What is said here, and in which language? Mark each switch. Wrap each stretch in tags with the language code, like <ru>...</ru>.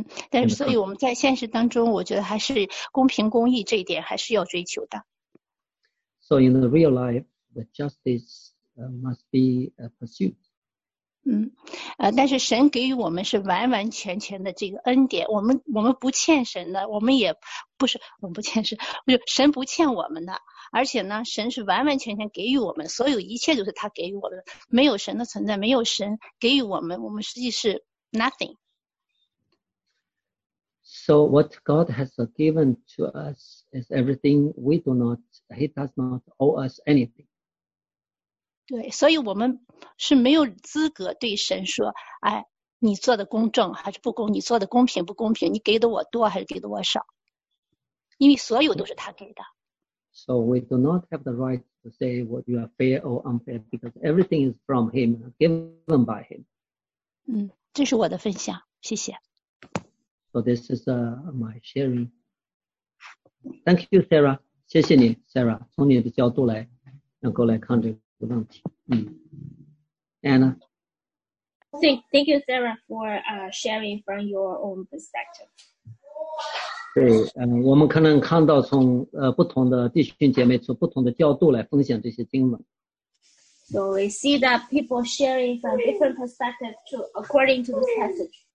<zh>但是所以我们在现实当中，我觉得还是公平公义这一点还是要追求的。</zh> <en>So in the real life, the justice must be pursued.</en> <zh>但是神给予我们是完完全全的这个恩典，我们不欠神的，我们不欠神，就神不欠我们的，而且呢，神是完完全全给予我们，所有一切都是他给予我们，没有神的存在，没有神给予我们，我们实际是 nothing.</zh> <en>So what God has given to us is everything we do not. He does not owe us anything.</en> <zh>对，所以我们是没有资格对神说，你做的公正还是不公，你做的公平不公平，你给的我多还是给的我少，因为所有都是他给的。</zh> <en>So we do not have the right to say what you are fair or unfair because everything is from him, given by him.</en> <zh>这是我的分享，谢谢。</zh> <en>So this is my sharing. Thank you, Sarah.</en> <zh>谢谢你 Sarah, 从你的角度来能够来看这个问题。Anna?</zh> <en>Thank you, Sarah, for sharing from your own perspective.</en> <zh>对，我们可能看到从不同的弟兄姐妹从不同的角度来分享这些经文。</zh> <en>So we see that people sharing from different perspectives according to the passage.</en>